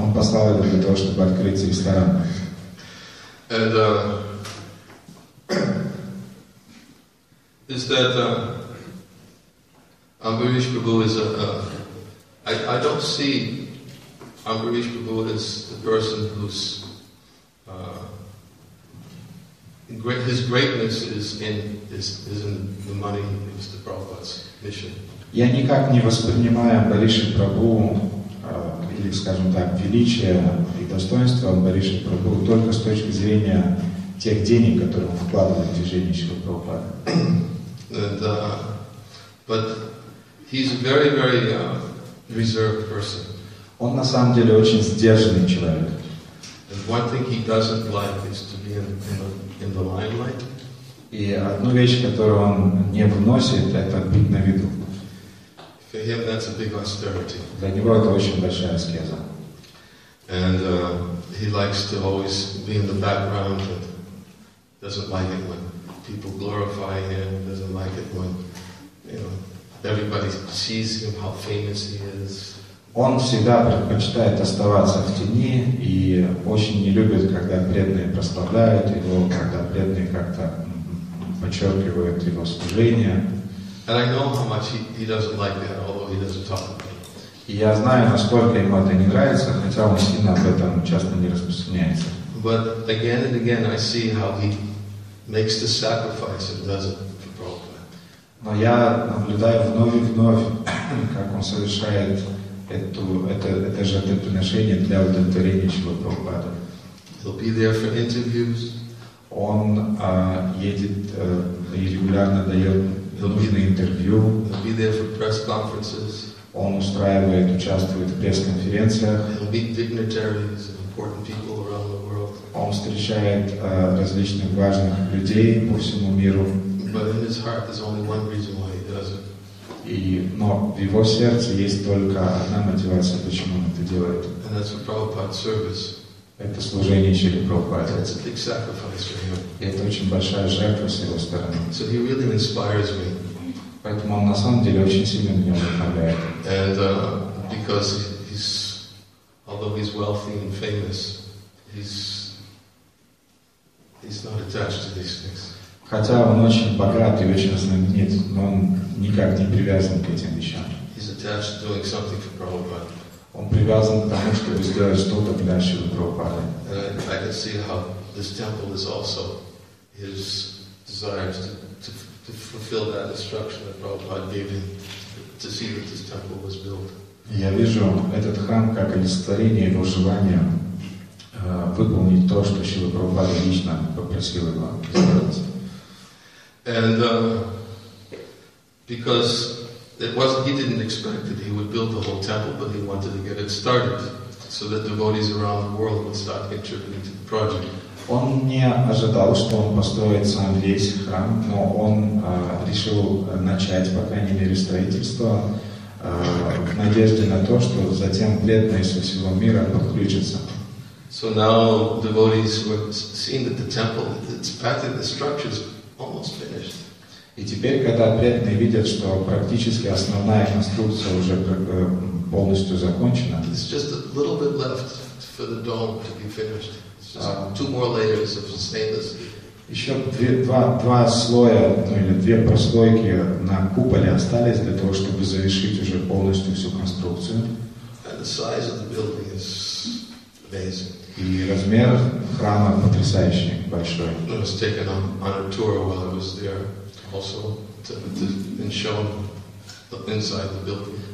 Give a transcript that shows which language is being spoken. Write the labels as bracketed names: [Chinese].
[Russian] Он послал его для того, чтобы открыть ресторан. [English] And is that Ambarish Prabhu is I don't see Ambarish Prabhu as the person who's his greatness is in the money, is the Prabhupada's mission. [Russian] Я никак не воспринимаю Ambarisha Prabhu или, скажем так, величие и достоинство Ambarisha Prabhu только с точки зрения тех денег, которые он вкладывает в движение Шрилы Прабхупады. [English] But he's a very, very reserved person. [Russian] Он на самом деле очень сдержанный человек. [English] And one thing he doesn't like is to be in the limelight. [Russian] И одну вещь, которую он не вносит, это быть на виду. [English] For him, that's a big austerity. [Russian] Для него это очень большая аскеза. [English] And he likes to always be in the background and doesn't like it when people glorify him, doesn't like it when, you know, everybody sees him, how famous he is. [Russian] Он всегда предпочитает оставаться в тени и очень не любит, когда преданные прославляют его, когда преданные как-то подчеркивают его служение. [English] And I know how much he doesn't like that, although he doesn't talk about it. [Russian] И я знаю, насколько ему это не нравится, хотя он сильно об этом часто не распространяется. [English] But again and again I see how he makes the sacrifice and does it. [Russian] Но я наблюдаю вновь и вновь, как он совершает это жертвоприношение для удовлетворения Шрилы Прабхупады. [English] He'll be there for interviews. [Russian] Он едет и регулярно дает нужные интервью. [English] He'll be there for press conferences. [Russian] Он устраивает, участвует в пресс-конференциях. [English] He'll meet dignitaries and important people around the world. [Russian] Он встречает различных важных людей по всему миру. [English] But in his heart, there's only one reason why he does it. [Russian] Но в его сердце есть только одна мотивация, почему он это делает. [English] And that's for Prabhupada's service. [Russian] Это служение Шриле Прабхупаде. [English] That's a big sacrifice for him. [Russian] Это очень большая жертва с его стороны. [English] So he really inspires me. [Russian] Поэтому он на самом деле очень сильно меня вдохновляет. [English] And because he's, although he's wealthy and famous, he's not attached to these things. [Russian] Хотя он очень богат и очень знаменит, но он никак не привязан к этим вещам. [English] He's attached to doing something for Prabhupada. [Russian] Он привязан к тому, чтобы сделать что-то для Шрилы Прабхупады. [English] I can see how this temple is also his desire to fulfill that instruction that Prabhupada gave him to see that this temple was built. [Russian] Я вижу этот храм как олицетворение его желания выполнить то, что Шрила Прабхупада лично попросил его сделать. [English] And because it wasn't, he didn't expect that he would build the whole temple, but he wanted to get it started so that devotees around the world would start contributing to the project. [Russian] Он не ожидал, что он построит сам весь храм, но он решил начать, по крайней мере, строительство в надежде на то, что затем преданные со всего мира подключатся. [English] So now devotees were seeing that the temple, it's packed in the structures. Almost finished. [Russian] И теперь, когда преданные видят, что практически основная конструкция уже полностью закончена, [English] it's just a little bit left for the dome to be finished. It's just two more layers of stainless. [Russian] Еще два слоя, ну или две прослойки на куполе остались для того, чтобы завершить уже полностью всю конструкцию. [English] And the size of the building is amazing. [Russian] И размер храма потрясающий, большой. [English] I was taken on a tour while I was there, also, and shown inside the building.